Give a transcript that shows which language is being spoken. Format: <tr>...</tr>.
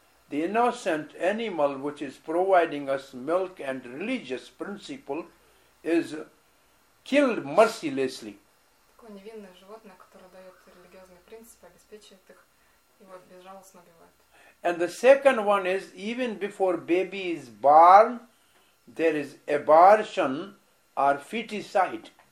<en>The innocent animal which is providing us milk and religious principle is killed mercilessly.</en> <ru>Такое невинное животное, которое дает религиозные принципы, обеспечивает их и вот безжалостно убивает.</ru> <en>And the second one is even before baby is born, there is abortion or feticide.</en>